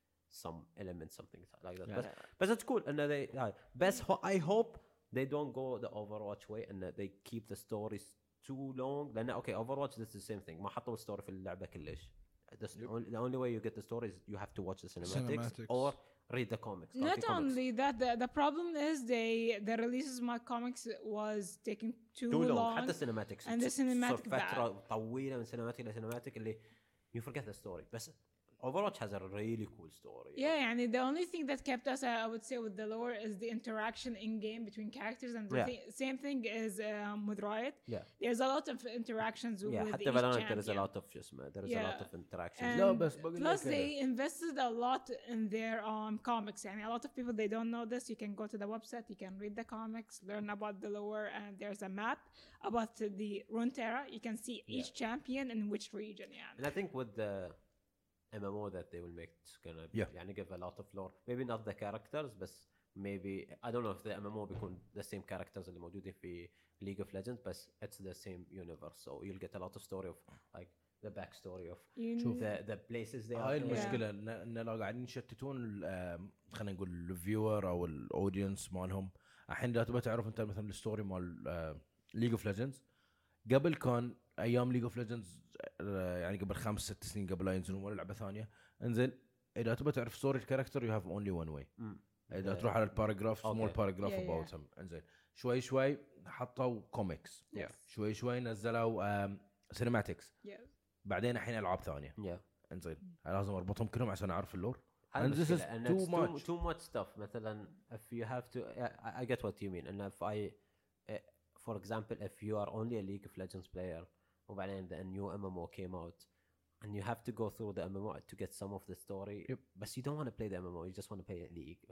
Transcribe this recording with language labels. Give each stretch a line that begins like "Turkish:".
English: some elements, something like that. But it's cool. And they I hope they don't go the Overwatch way and they keep the stories too long. Then okay, Overwatch, this is the same thing.
Arabic: ما حطوا الستوري في اللعبة كلش.
English: The only way you get the story is you have to watch the cinematics or read the comics. Not only that, the problem is the releases of my comics was taking too long.
Arabic: حتى cinematics.
English: And the cinematic
Arabic: بعد. فترة طويلة من cinematic إلى cinematic اللي
English: you forget the story. بس Overwatch has a really cool story. Yeah, you know? And the only thing that kept us, I would say, with the lore is the interaction in-game between characters. And the same thing is with Riot. Yeah. There's a lot of interactions with each champion. There is a lot of interactions. No, plus, they invested a lot in their comics. And a lot of people, they don't know this. You can go to the website. You can read the comics, learn about the lore. And there's a map about the Runeterra. You can see each champion in which region. You know? And I think with the MMO that they will make, it's gonna be, يعني give a lot of lore. Maybe not the characters, but maybe, I don't know if the MMO become the same characters
Arabic: اللي موجودة في
English: League of Legends, but it's the same universe. So you'll get a lot of story of like the backstory of the places they
Arabic: are. هاي المشكلة إن لو قاعدين يشتتون خلينا نقول الفيور أو الأودينس مالهم. الحين لو تبغى تعرف أنت مثلاً الستوري مال League of Legends قبل كان ايام ليج اوف ليجندز يعني قبل 5-6 سنين قبل لا ينزلون ولا لعبه ثانيه انزل اذا تبغى تعرف ستوري الكاركتر
English: you have only one way
Arabic: اذا تروح على الباراجراف
English: small paragraph about him
Arabic: انزل شوي شوي حطوا كوميكس شوي شوي نزلوا سينماتكس بعدين الحين العاب ثانيه انزل لازم اربطهم كلهم عشان اعرف اللور
English: and this is too much stuff مثلا if you have to I get what you mean and if I for example if you are only a League of Legends player وبعدين the new MMO came out and you have to go through the MMO to get some of the story but you don't want to play the MMO, you just want to play a League.